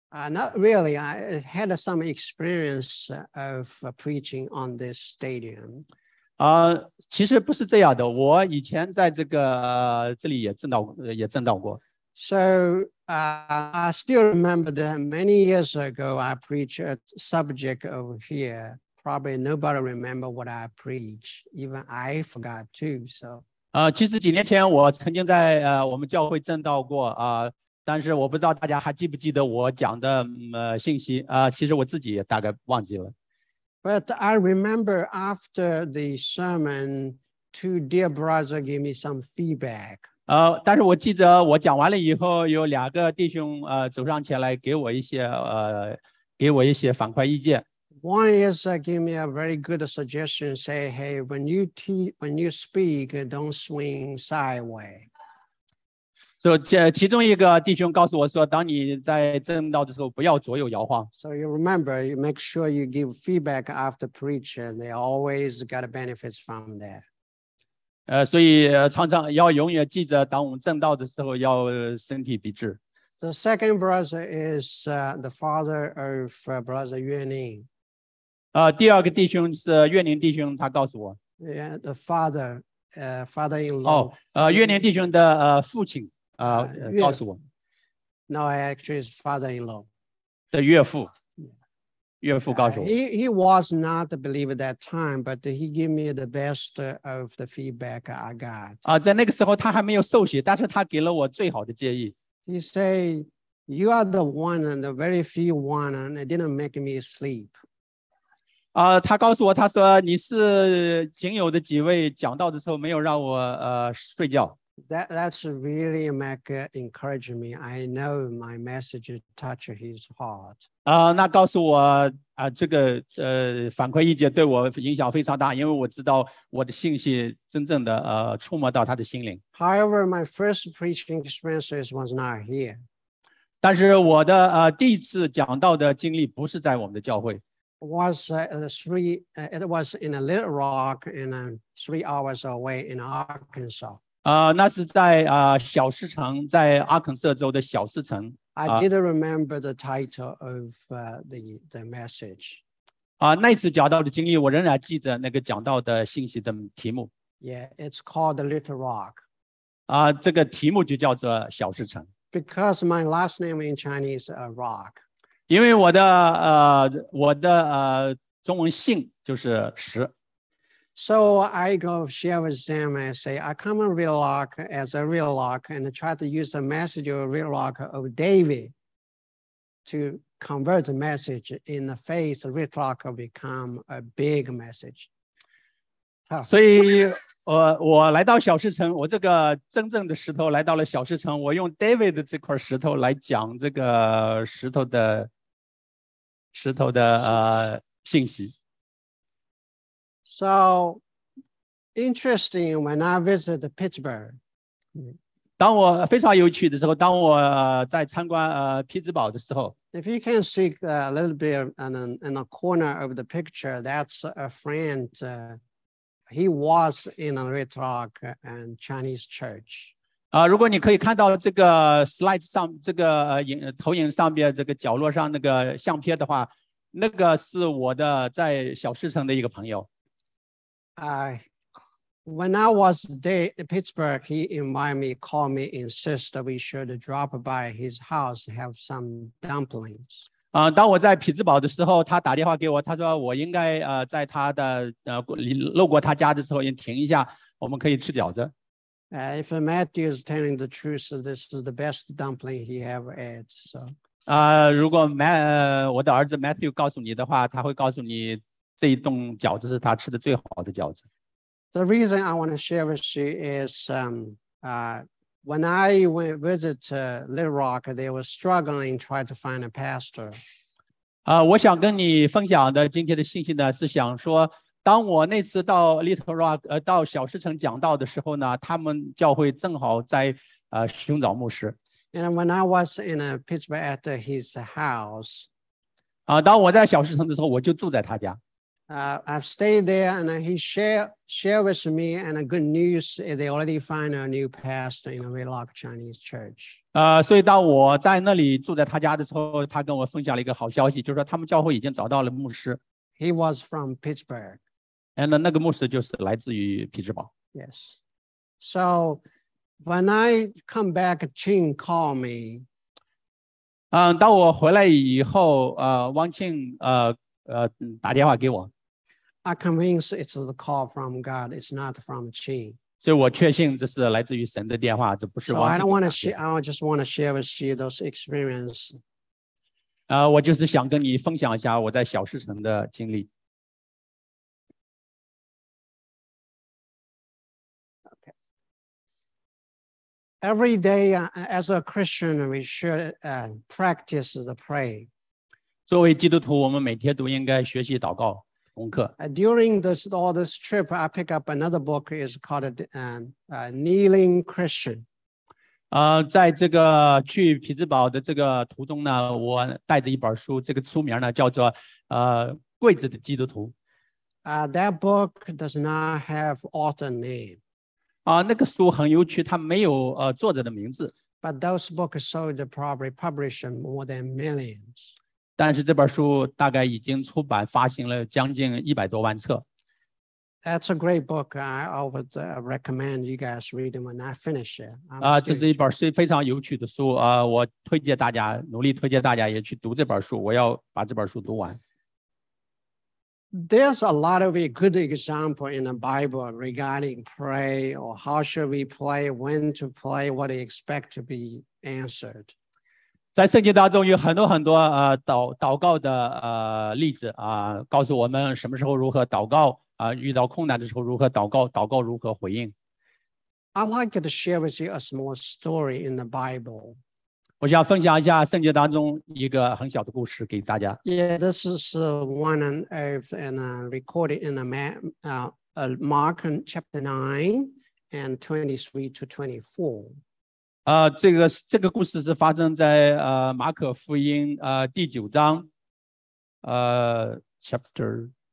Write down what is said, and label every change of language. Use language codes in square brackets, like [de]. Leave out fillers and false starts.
[en] Not really, I had some experience of preaching on this stadium. [zh] 其实不是这样的我以前在这个这里也证道过。 [en] So, I still remember that many years ago I preached a subject over here. Probably nobody remember what I preach. Even I forgot too. So, [zh] 其实几年前我曾经在我们教会证道过但是我不知道大家还记不记得我讲的信息其实我自己也大概忘记了。 [en] But I remember after the sermon, two dear brothers gave me some feedback. [zh] 但是我记得我讲完了以后，有两个弟兄走上前来给我一些反馈意见。 [en] One is give me a very good suggestion. Say, hey, when you speak, don't swing sideways. [zh] So, 其中一个弟兄告诉我说，当你在正道的时候，不要左右摇晃。 [en] So you remember, you make sure you give feedback after preach, and they always got benefits from that. [zh] 所以常常要永远记着，当我们正道的时候，要身体笔直。 [en] The second brother is the father of brother Yuanning. [zh] 第二个弟兄是岳宁弟兄，他告诉我。 [en] Yeah, the father, father-in-law. [zh] 岳宁弟兄的父亲。告诉我。 [en] No, actually, his father-in-law. [zh] 的岳父。岳父告诉我。 [en] He was not a believer at that time, but he gave me the best of the feedback I got. [zh] 在那个时候他还没有受洗，但是他给了我最好的建议。 [en] He said, you are the one and the very few one, and it didn't make me sleep. [zh] 他告诉我，他说你是仅有的几位讲道的时候没有让我睡觉。 [en] That's really make encourage me. I know my message touch his heart. [zh] 那告诉我这个反馈意见对我影响非常大，因为我知道我的信息真正的触摸到他的心灵。 [en] However, my first preaching experience was not here. [zh] 但是我的第一次讲道的经历不是在我们的教会。 [en] It was in a Little Rock, in three hours away in Arkansas. [zh] 那是在小市城，在阿肯色州的小市城。 [en] I didn't remember the title of the message. [zh] 那次讲道的经历，我仍然记得那个讲道的信息的题目。 [en] Yeah, it's called Little Rock. [zh] 这个题目就叫做小市城。 [en] Because my last name in Chinese is Rock. [zh] 因为我的中文姓就是石。 [en] So I go share with them and say, I come in Real Rock as a Real Rock and try to use the message of Real Rock of David to convert the message in the face of Real Rock become a big message. [zh] 所以我来到小石城，我这个真正的石头来到了小石城，我用 David 的这块石头来讲这个石头的信息。 [en] So, interesting, when I visited Pittsburgh. [zh] 当我非常有趣的时候，当我在参观匹兹堡的时候。 [en] If you can see a little bit in the corner of the picture, that's a friend. He was in a Red Rock and Chinese church. [zh] 如果你可以看到这个 slide 上，这个投影上面这个角落上那个相片的话，那个是我的在小市城的一个朋友。 [en] When I was there in Pittsburgh, he invited me, called me, insist that we should drop by his house to have some dumplings. [zh] 当我在匹兹堡的时候，他打电话给我，他说我应该在他的路过他家的时候，应停一下，我们可以吃饺子。 [en] If Matthew is telling the truth, this is the best dumpling he ever ate. So. [zh] 如果我的儿子 Matthew 告诉你的话，他会告诉你。这一栋饺子是他吃的最好的饺子。 [en] The reason I want to share with you is, when I went visit Little Rock, they were struggling trying to find a pastor. [zh] 我想跟你分享的今天的信息呢，是想说，当我那次到 Little Rock, 到小石城讲道的时候呢，他们教会正好在寻找牧师。 [en] And when I was in Pittsburgh at his house, [zh] 当我在小石城的时候，我就住在他家。 [en] I've stayed there and he shared with me and a good news they already find a new pastor in a Red Rock Chinese church. [zh] 所以当我在那里住在他家的时候，他跟我分享了一个好消息，就是说他们教会已经找到了牧师。 [en] He was from Pittsburgh. [zh] And 那个牧师就是来自于匹兹堡。 [en] Yes. So when I come back, Ching called me. [zh] 当我回来以后，汪庆打电话给我。 [en] I convinced it's the call from God, it's not from Qing. [zh] 所以我确信这是来自于神的电话，这不是汪庆的电话。 [en] So I don't want to I just want to share with you those experiences. [zh] 我就是想跟你分享一下我在小石城的经历。 [en] Okay. Every day, as a Christian, we should practice the pray. [zh] 作为基督徒，我们每天都应该学习祷告功课。 [en] During this, all this trip, I pick up another book. It's called Kneeling Christian. [zh] 在这个去匹兹堡的这个途中呢，我带着一本书，这个书名呢叫做柜子的基督徒。 [en] That book does not have author name. [zh] 那个书很有趣，它没有作者的名字。 [en] But those books sold probably published more than millions. [zh] 但是这本书大概已经出版发行了将近100多万册。 [en] That's a great book. I would recommend you guys read it when I finish it. [zh] 这是一本非常有趣的书。我推荐大家，努力推荐大家也去读这本书。我要把这本书读完。 [en] There's a lot of good examples in the Bible regarding pray or how should we pray, when to pray, what to expect to be answered. [zh] 在圣经当中有很多很多祷告的例子告诉我们什么时候如何祷告。遇到困难的时候如何祷告，祷告如何回应。 [en] I'd like to share with you a small story in the Bible. [zh] 我想分享一下圣经当中一个很小的故事给大家。 [en] Yeah, this is one on earth and recorded in Mark chapter 9 and 23 to 24. [zh] 这个故事是发生在马可福音第九章chapter